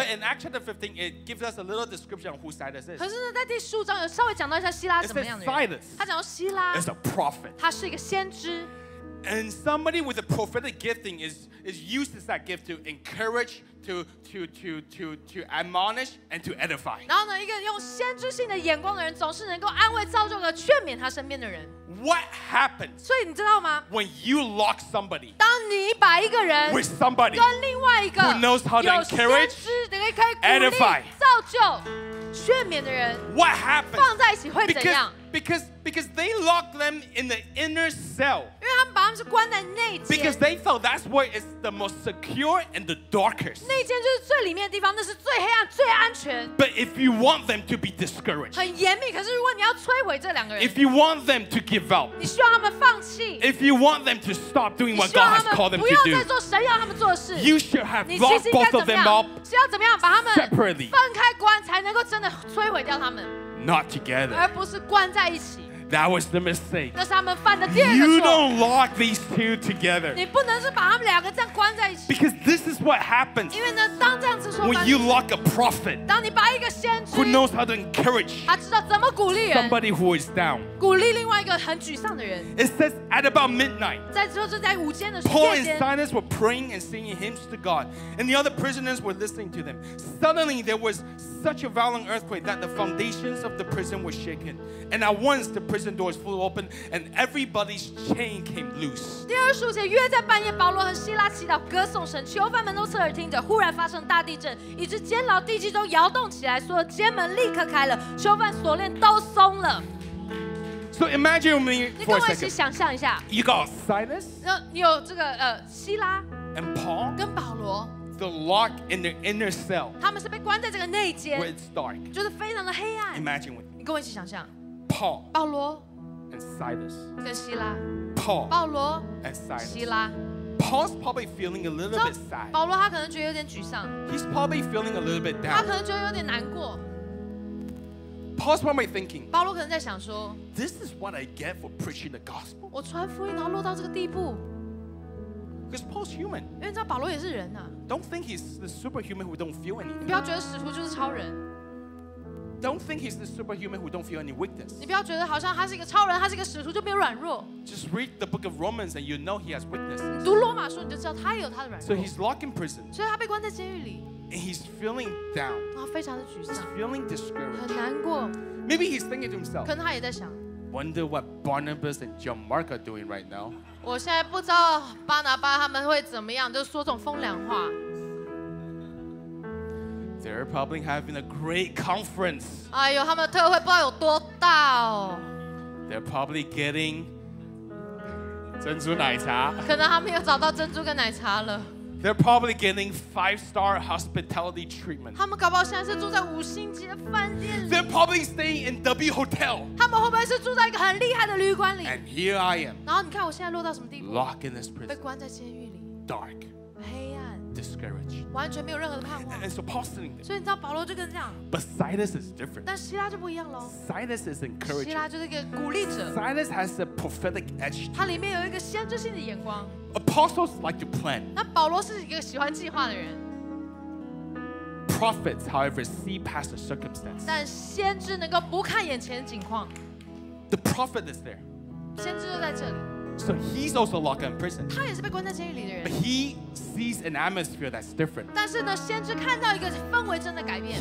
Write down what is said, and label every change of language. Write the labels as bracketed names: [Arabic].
[English] But in Acts chapter 15, it gives us a little description of who Silas is. [Chinese] 可是呢，在第十五章有稍微讲到一下希拉是怎么样的人。 [English] It says Silas. [Chinese] 他讲到希拉。 [English] Is a prophet. [Chinese] 他是一个先知。 [English] And somebody with a prophetic gifting is used as that gift to encourage, to admonish, and to edify. [Chinese] 然后呢，一个用先知性的眼光的人，总是能够安慰、造就和劝勉他身边的人。 [English] What happens? [Chinese] 所以你知道吗 [English] ？When you lock somebody, [Chinese] 当你把一个人 [English] with somebody [Chinese] 跟另外一个 [English] who knows how to encourage, [Chinese] 有先知，你可以鼓励、edify, 造就、劝勉的人 [English] ，What happens? [Chinese] 放在一起会怎样？ [English] Because they lock them in the inner cell. [Chinese] 因为他们把他们是关在内间。 [English] Because they thought that's where it's the most secure and the darkest. [Chinese] 内间就是最里面的地方，那是最黑暗、最安全。 [English] But if you want them to be discouraged, [Chinese] 很严密。可是如果你要摧毁这两个人 [English] ，If you want them to give up, [Chinese] 你需要他们放弃。 [English] If you want them to stop doing what God has called them to do, [Chinese] 你需要他们不要再做神要他们做的事。 [English] You should have locked both of them up. [Chinese] 需要怎么样把他们 [English] separately [Chinese] 分开关，才能够真的摧毁掉他们。 [English] Not together. [Chinese] 而不是关在一起。 [English] That was the mistake. [Chinese] 那是他们犯的第二个错。 [English] You don't lock these two together. [Chinese] 你不能是把他们两个这样关在一起。 [English] Because this is what happens. [Chinese] 因为呢，当这样子说。 [English] When you lock a prophet. [Chinese] 当你把一个先知。 [English] Who knows how to encourage. [Chinese] 他知道怎么鼓励人。 [English] Somebody who is down. [Chinese] 鼓励另外一个很沮丧的人。 [English] It says at about midnight. [Chinese] 在说是在午间的时 [English] 间。Paul and Silas were praying and singing hymns to God, and the other prisoners were listening to them. Suddenly there was such a violent earthquake that the foundations of the prison were shaken, and at once the prison doors flew open and everybody's chain came loose. [Chinese] 第二十五节，约在半夜，保罗和希拉祈祷歌颂神，囚犯们都侧耳听着。忽然发生大地震，以致监牢地基都摇动起来，所有监门立刻开了，囚犯锁链都松了。 [English] So imagine me. [Chinese] 你跟我一起想象一下。 [English] You got Silas. [Chinese] 你有这个希拉。 [English] And Paul. [Chinese] 跟保罗。 [English] The lock in the inner cell. [Chinese] 他们是被关在这个内间。 [English] Where it's dark. [Chinese] 就是非常的黑暗。 [English] Imagine with me. [Chinese] 你跟我一起想象。 [English] Paul, [Chinese] 保罗 [English] and Silas, [Chinese] 跟希拉 [English] Paul, [Chinese] 保罗 [English] and Silas, [Chinese] 希拉 [English] Paul's probably feeling a little bit sad. [Chinese] 保罗他可能觉得有点沮丧 [English] He's probably feeling a little bit down. [Chinese] 他可能觉得有点难过 [English] Paul's probably thinking. [Chinese] 保罗可能在想说 [English] This is what I get for preaching the gospel. [Chinese] 我传福音然后落到这个地步 [English] Because Paul's human. [Chinese] 因为你知道保罗也是人啊 [English] Don't think he's the superhuman who don't feel anything. [Chinese] 你不要觉得使徒就是超人。 [English] Don't think he's the superhuman who don't feel any weakness. [Chinese] 你不要觉得好像他是一个超人，他是一个使徒就没有软弱。 [English] Just read the book of Romans and you know he has weakness. [Chinese] 读罗马书你就知道他也有他的软弱。 [English] So he's locked in prison. [Chinese] 所以他被关在监狱里。 [English] And he's feeling down. [Chinese] 然后非常的沮丧。 [English] He's feeling discouraged. [Chinese] 很难过。 [English] Maybe he's thinking to himself. [Chinese] 可能他也在想。 [English] Wonder what Barnabas and John Mark are doing right now. [Chinese] 我现在不知道巴拿巴他们会怎么样，就是说这种风凉话。 [English] They're probably having a great conference. [Chinese] 哎呦，他们的特会不知道有多大哦。 [English] They're probably getting 珍珠奶茶。 [Chinese] 可能他们又找到珍珠跟奶茶了。 [English] They're probably getting 5-star hospitality treatment. [Chinese] 他们搞不好现在是住在五星级的饭店里。 [English] They're probably staying in W Hotel. [Chinese] 他们会不会是住在一个很厉害的旅馆里 [English] ？And here I am. [Chinese] 然后你看我现在落到什么地步 [English] ？Locked in this prison. [Chinese] 被关在监狱里。 [English] Dark. [Chinese] 黑暗。 [English] The discouraged. [Chinese] 完全没有任何的盼望。 [English] And so Paul's saying this. [Chinese] 所以你知道保罗就跟这样。 [English] But Silas is different. [Chinese] 但希拉就不一样喽。 [English] Silas is encouraging. [Chinese] 希拉就是一个鼓励者。 [English] Silas has a prophetic edge. [Chinese] 他里面有一个先知性的眼光。 [English] Apostles like to plan. [Chinese] 那保罗是一个喜欢计划的人。 [English] Prophets, however, see past the circumstance. [Chinese] 但先知能够不看眼前的景况。 [English] The prophet is there. [Chinese] 先知就在这里。 [English] So he's also locked up in prison. [Chinese] 他也是被关在监狱里的人。 [English] But he sees an atmosphere that's different. [Chinese] 但是呢，先知看到一个氛围真的改变。